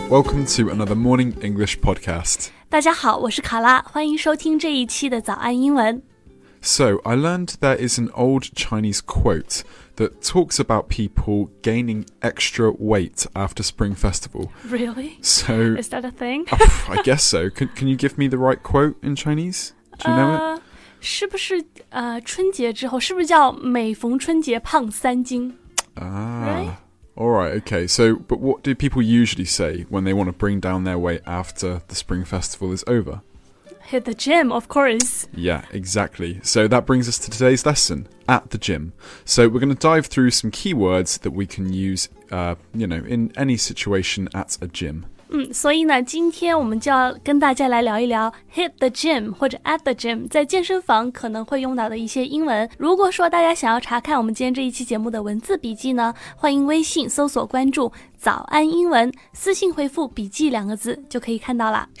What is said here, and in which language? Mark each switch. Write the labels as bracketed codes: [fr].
[en] Welcome to another Morning English podcast. [zh] 大家好，我是卡拉，欢迎收听这一期的早安英文。 [en] So, I learned there is an old Chinese quote that talks about people gaining extra weight after Spring Festival. Really? So, is that a thing? I guess so. Can you give me the right quote in Chinese? Do you know it? [zh] 是不是春节之后，是不是叫每逢春节胖三斤？ [en] Alright, okay, so, but what do people usually say when they want to bring down their weight after the Spring Festival is over? Hit the gym, of course. Yeah, exactly. So that brings us to today's lesson, at the gym. So we're going to dive through some keywords that we can use, in any situation at a gym. [zh] 所以呢，今天我们就要跟大家来聊一聊 [en] hit the gym [zh] 或者 [en] at the gym [zh] 在健身房可能会用到的一些英文。如果说大家想要查看我们今天这一期节目的文字笔记呢，欢迎微信搜索关注早安英文，私信回复笔记两个字就可以看到了。